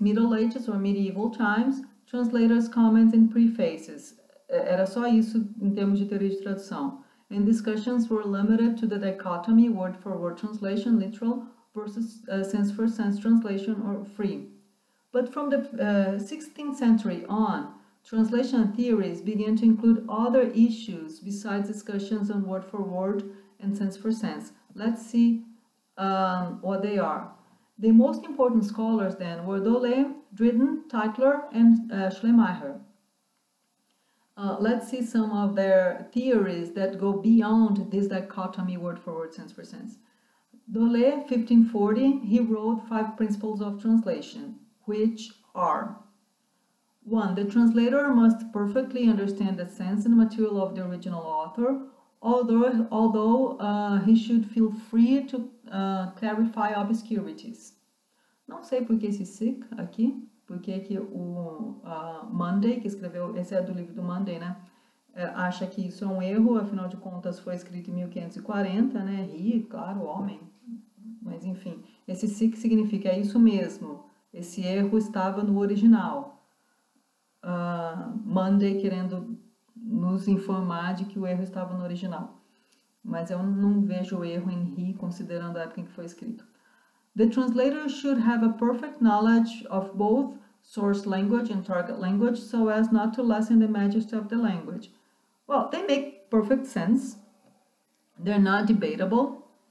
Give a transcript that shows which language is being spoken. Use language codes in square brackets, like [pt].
[en] Middle Ages or medieval times, translators' comments and prefaces. [pt] Era só isso em termos de teoria de tradução. [en] And discussions were limited to the dichotomy word for word translation, literal versus sense for sense translation or free. But from the 16th century on, translation theories began to include other issues besides discussions on word for word and sense for sense. Let's see what they are. The most important scholars then were Dolé, Dryden, Teitler, and Schleiermacher. Let's see some of their theories that go beyond this dichotomy word for word, sense for sense. Dolé, 1540, he wrote five principles of translation, which are: 1. The translator must perfectly understand the sense and material of the original author, although he should feel free to clarify obscurities. [pt] Não sei por que esse sick aqui, porque que o Monday, que escreveu, esse é do livro do Monday, né, acha que isso é um erro, afinal de contas foi escrito em 1540, né, he, claro, homem, mas enfim, esse sick significa é isso mesmo, esse erro estava no original. Monday querendo nos informar de que o erro estava no original. Mas eu não vejo o erro em he, considerando a época em que foi escrito. [en] The translator should have a perfect knowledge of both source language and target language so as not to lessen the majesty of the language. Well, they make perfect sense. They're not debatable.